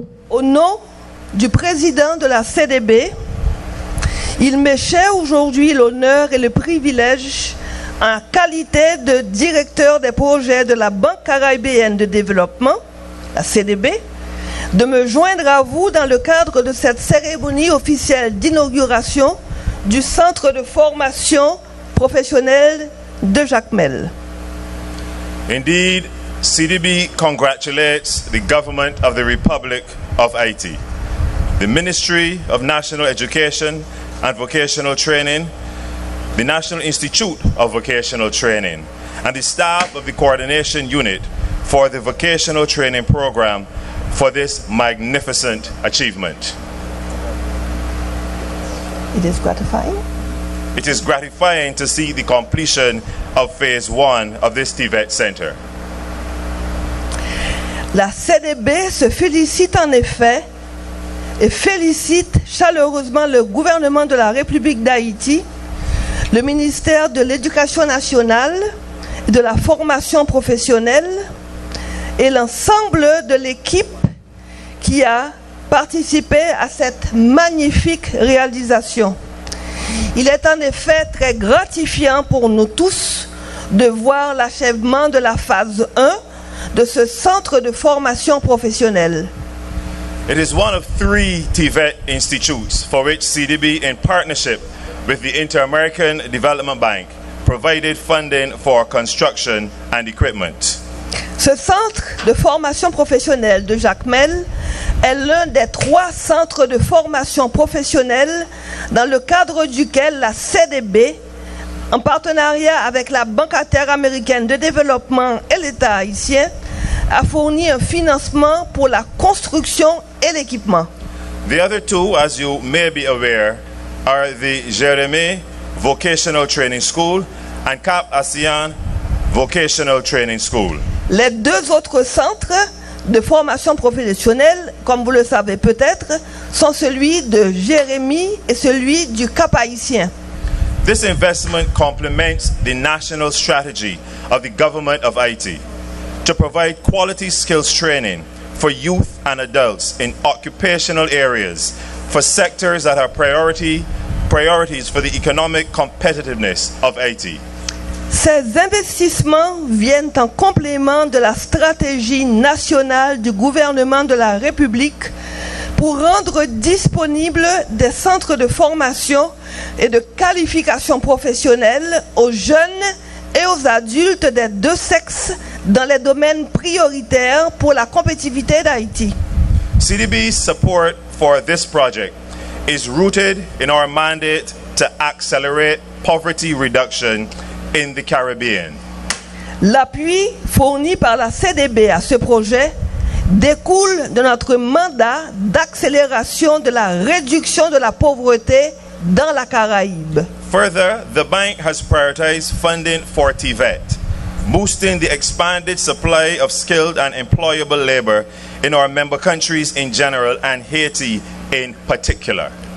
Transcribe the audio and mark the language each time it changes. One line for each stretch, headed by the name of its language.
French: Au nom du président de la CDB, il m'est cher aujourd'hui l'honneur et le privilège en qualité de directeur des projets de la Banque caribéenne de développement, la CDB, de me joindre à vous dans le cadre de cette cérémonie officielle d'inauguration du Centre de formation professionnelle de Jacmel.
English: Indeed, CDB congratulates the government of the Republic of Haiti, the Ministry of National Education and Vocational Training, the National Institute of Vocational Training, and the staff of the Coordination Unit for the Vocational Training Program for this magnificent achievement. It is gratifying. It is gratifying to see the completion of phase one of this TVET Center.
French: La CDB se félicite en effet et félicite chaleureusement le gouvernement de la République d'Haïti, le ministère de l'Éducation nationale et de la formation professionnelle et l'ensemble de l'équipe qui a participé à cette magnifique réalisation. Il est en effet très gratifiant pour nous tous de voir l'achèvement de la phase 1 de ce centre de formation professionnelle.
English: It is one of three TVET institutes for which CDB, in partnership with the Inter-American Development Bank, provided funding for construction and equipment.
French: Ce centre de formation professionnelle de Jacmel est l'un des trois centres de formation professionnelle dans le cadre duquel la CDB, en partenariat avec la Banque interaméricaine de développement et l'État haïtien, a fourni un financement pour la construction et l'équipement.
English: The other two, as you may be aware, are the Jérémy Vocational Training School and Cap Asian Vocational Training School.
French: Les deux autres centres de formation professionnelle, comme vous le savez peut-être, sont celui de Jérémy et celui du Cap Haïtien.
English: This investment complements the national strategy of the government of Haiti to provide quality skills training for youth and adults in occupational areas for sectors that are priorities for the economic competitiveness of Haiti.
French: Ces investissements viennent en complément de la stratégie nationale du gouvernement de la République pour rendre disponibles des centres de formation et de qualification professionnelle aux jeunes et aux adultes des deux sexes dans les domaines prioritaires pour la compétitivité d'Haïti.
English: CDB's support for this project is rooted in our mandate to accelerate poverty reduction in the Caribbean.
French: L'appui fourni par la CDB à ce projet découle de notre mandat d'accélération de la réduction de la pauvreté dans la Caraïbe.
English: Further, the bank has prioritized funding for TVET, boosting the expanded supply of skilled and employable labor in our member countries in general and Haiti in particular.